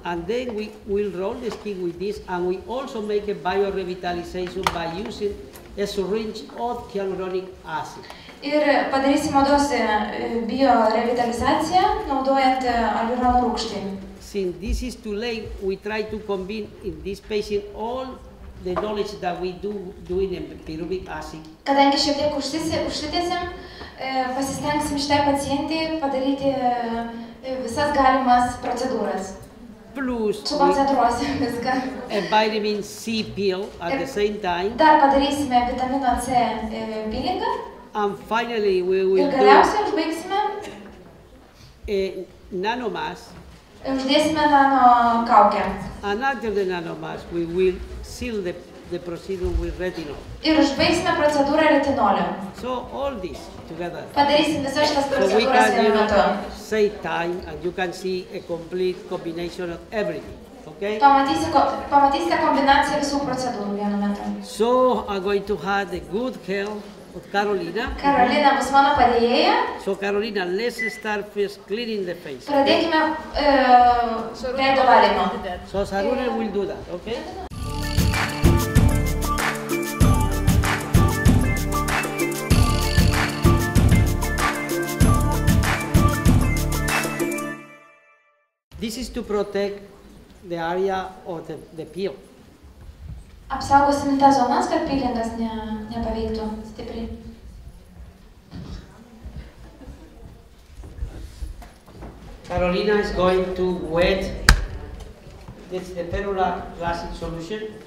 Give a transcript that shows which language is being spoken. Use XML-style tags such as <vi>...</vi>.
<en>And then we will roll the skin with this, and we also make a biorevitalization by using a syringe of hyaluronic acid.</en> <lt>Ir padarysime odos biorevitalizaciją naudojant hialurono rūgštį.</lt> <en>Since this is too late, we try to convince in this patient all the knowledge that we do doing a pyruvic acid.</en> <lt>Kadangi šiek tiek užsitęsim, pasistengsim šitai pacientei padaryti visas galimas procedūras.</lt> <en>Plus, we a vitamin C pill at the same time.</en> <lt>Dar padarysime vitamino C pillingą.</lt> <en>And finally, we will do.</en> <lt>Ir galiausiai užbaigsime.</lt> <en>Nanomask.</en> <lt>Uždėsime nano kaukę.</lt> <en>And after the nanomask, we will seal the procedure with retinol.</en> <lt>Ir užbaigsime procedūrą retinoliu.</lt> <en>So all this together.</en> <lt>Padarysim visas šitas procedūras vienu metu.</lt> <en>Save time, and you can see a complete combination of everything. Okay?</en> <lt>Pamatysite kombinaciją visų procedūrų vienu metu.</lt> <en>So I'm going to have the good health of Carolina.</en> <lt>Carolina bus mano padėjėja.</lt> <en>So Carolina, let's start first cleaning the face.</en> <lt>Pradėkime veido valymą.</lt> <en>So Sarune will do that, okay? This is to protect the area of the peel.</en> <lt>Apsaugosime tą zoną, kad peelingas nepaveiktų stipriai.</lt> <en>Carolina is going to wet. This is the Ferula Classic solution.</en>